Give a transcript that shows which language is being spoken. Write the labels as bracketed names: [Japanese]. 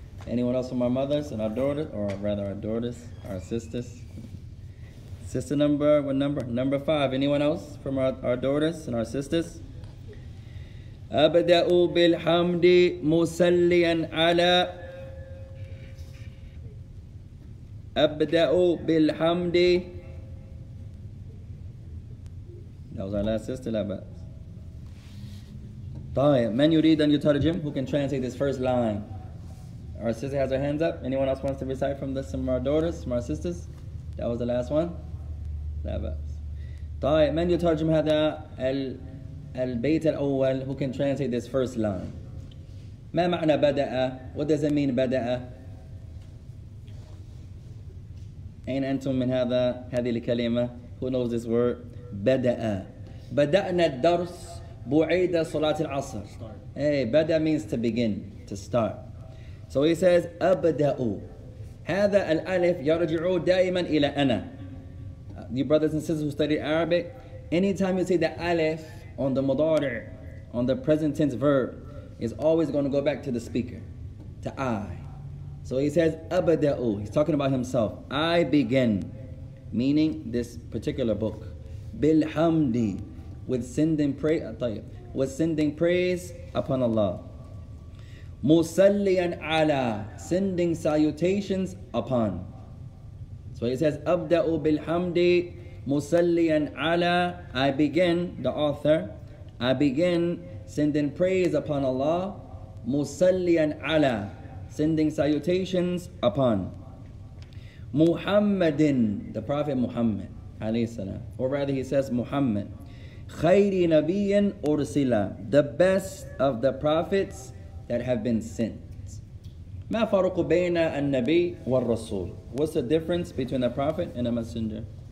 [English] Anyone else from our mothers and our daughters, or rather our daughters, our sisters? Sister number, what number? Number five. Anyone else from our daughters and our sisters? [Arabic] أبدأ بالحمد مصليا على أبدأ بالحمد. [English] That was our last sister, but. [Arabic] طيب. من يريد أن يترجم? [English] Who can translate this first line? Our sister has her hands up. Anyone else wants to recite from this, from our daughters, from our sisters? That was the last one. [Arabic] لا بأس. طيب. من يترجم هذا البيت الأول? [English] Who can translate this first line? [Arabic] ما معنى بدأ? [English] What does it mean بدأ? [Arabic] أين أنتم من هذا هذه الكلمة? [English] Who knows this word? بدأ. [Arabic] بدأنا الدرس بعيد صلاة العصر. [English] Hey, بدأ means to begin, to start. So he says [Arabic] أبدأ. هذا الألف يرجع دائما إلى أنا. [English] You brothers and sisters who study Arabic, anytime you see the alif on the mudari, on the present tense verb, it's always going to go back to the speaker, to I. So he says, [Arabic] أبدأ. [English] He's talking about himself. I begin, meaning this particular book. [Arabic] بِالْحَمْدِ, [English] with sending praise upon Allah. [Arabic] مُسَلِّيًا عَلَى, [English] sending salutations upon. So he says, [Arabic] أَبْدَأُ بِالْحَمْدِ مُسَلِّيًا عَلَى. [English] I begin, the author, I begin sending praise upon Allah. [Arabic] مُسَلِّيًا عَلَى, [English] sending salutations upon. Muhammadin, the Prophet Muhammad, alayhi salam. Or rather he says Muhammad. [Arabic] خَيْرِ نَبِيٍ أُرْسِلَ, [English] the best of the prophets that have been sent. [Arabic] ما فرق بين النبي والرسول? [English] What's the difference between a prophet and a messenger?